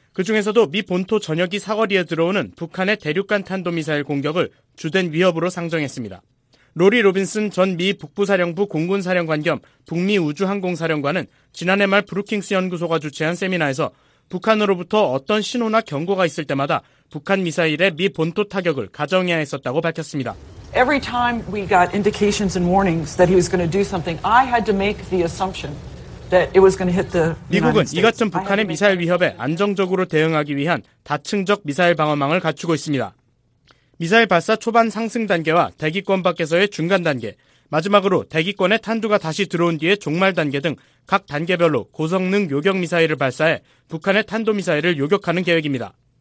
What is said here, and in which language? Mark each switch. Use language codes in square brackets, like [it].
[ko] 그 중에서도 미 본토 전역이 사거리에 들어오는 북한의 대륙간 탄도미사일 공격을 주된 위협으로 상정했습니다. 로리 로빈슨 전 미 북부사령부 공군사령관 겸 북미 우주항공사령관은 지난해 말 브루킹스 연구소가 주최한 세미나에서 북한으로부터 어떤 신호나 경고가 있을 때마다 북한 미사일의 미 본토 타격을 가정해야 했었다고 밝혔습니다. [en] Every time we got indications and warnings that he was going to do something, I had to make the assumption that it was going to hit the United States. [ko] 미국은 이 같은 북한의 미사일 위협에 안정적으로 대응하기 위한 다층적 미사일 방어망을 갖추고 있습니다. 미사일 발사 초반 상승 단계와 대기권 밖에서의 중간 단계, 마지막으로 대기권에 탄두가 다시 들어온 뒤에 종말 단계 등 각 단계별로 고성능 요격 미사일을 발사해 북한의 탄도미사일을 요격하는 계획입니다.